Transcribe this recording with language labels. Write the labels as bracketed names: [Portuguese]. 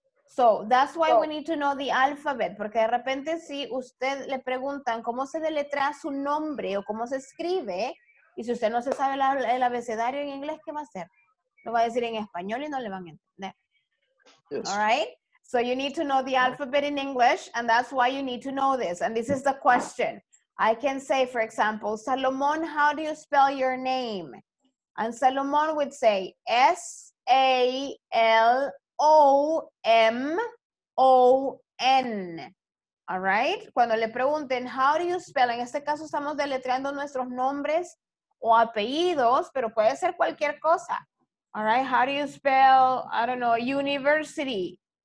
[English] So, that's why we need to know the alphabet. [Spanish] Porque de repente si usted le preguntan cómo se deletrea su nombre o cómo se escribe, y si usted no se sabe el abecedario en inglés, ¿qué va a hacer? Lo va a decir en español y no le van a entender. [English] Yes. All right? So, you need to know the alphabet in English, and that's why you need to know this. And this is the question. I can say, for example, Salomón, how do you spell your name? And Salomón would say, S-A-L-O-M-O-N. All right? [Spanish] Cuando le pregunten, [English] how do you spell? [Spanish] En este caso estamos deletreando nuestros nombres o apellidos, pero puede ser cualquier cosa. [English] All right? How do you spell, I don't know, university?